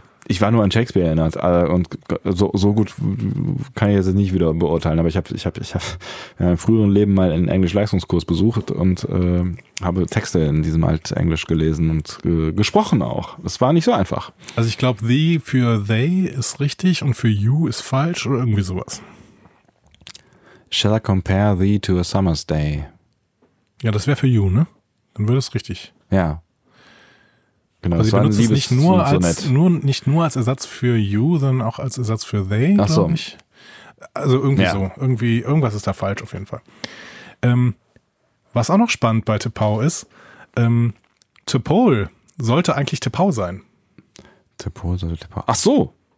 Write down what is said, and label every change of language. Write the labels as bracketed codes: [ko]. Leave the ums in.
[de] Ich war nur an Shakespeare erinnert und so, so gut kann ich jetzt nicht wieder beurteilen, aber ich habe ich hab, ich hab in meinem früheren Leben mal einen Englisch-Leistungskurs besucht und äh, habe Texte in diesem Alt-Englisch gelesen und äh, gesprochen auch. Das war nicht so einfach. Also ich glaube, the für they ist richtig und für you ist falsch oder irgendwie sowas. [en] Shall I compare thee to a summer's day? [de] Ja, das wäre für you, ne? Dann würde es richtig. Ja. Yeah also genau, sie benutzt es nicht nur, so, als, so nur, nicht nur als Ersatz für you, sondern auch als Ersatz für they, glaube so. ich. Also irgendwie ja. so. Irgendwie, irgendwas ist da falsch auf jeden Fall. Ähm, was auch noch spannend bei Tepau ist, ähm, Tepol sollte eigentlich Tepau sein. Tepol sollte Tepau. Ach so!